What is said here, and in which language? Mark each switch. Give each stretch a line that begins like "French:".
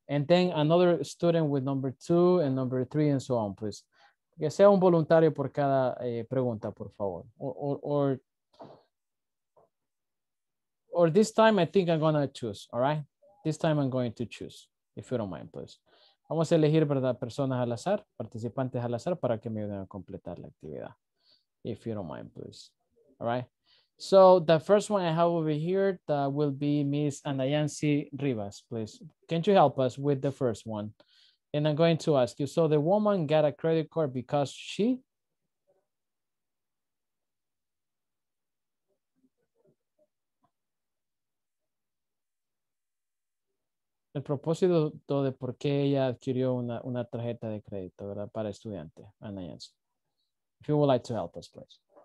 English: And then another student with number two and number three and so on, please.
Spanish: Que sea un voluntario por cada pregunta, por favor.
English: Or this time, I think I'm gonna choose, all right? This time I'm going to choose, if you don't mind, please.
Spanish: Vamos a elegir, ¿verdad? Personas al azar, participantes al azar para que me ayuden a completar la actividad.
English: If you don't mind, please. All right. So the first one I have over here that will be Miss Anayansi Rivas, please. Can you help us with the first one? And I'm going to ask you, so the woman got a credit card because she?
Spanish: El propósito de por qué ella adquirió una tarjeta de crédito, ¿verdad? Para estudiante, Ana Jensen.
English: If you would like to help us, please.